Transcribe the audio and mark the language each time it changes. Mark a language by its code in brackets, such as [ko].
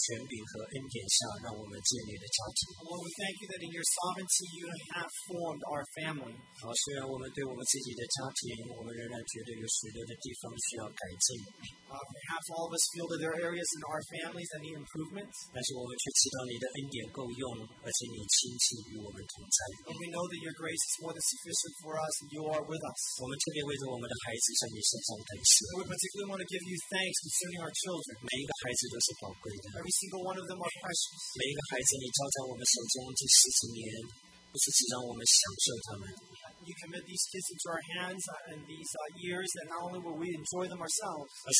[zh] 我们谢谢在你的主宰的权柄和恩典下，让我们建立了家庭。Lord, [en] we thank you that in your sovereignty you have formed our family. [zh] 好，虽然我们对我们自己的家庭，我们仍然觉得有许多的地方需要改进。We [en] have all of us feel that there are areas in our families that need improvement. [zh] 但是我们却知道你的恩典够用，而且你亲近与我们同在。And [en] we know that your grace is more than sufficient for us, and you are with us. [zh] 我们特别为着我们的孩子向你献上感谢。And [en] we particularly want to give you thanks concerning our children. [zh] 每一个孩子都是宝贵的。 [en] Every single one of them are precious. [zh] 每一个孩子你交在我们手中这十几年。不是只让我们享受他们, [en] you commit these kids into our hands and these years, and not only will we enjoy them ourselves,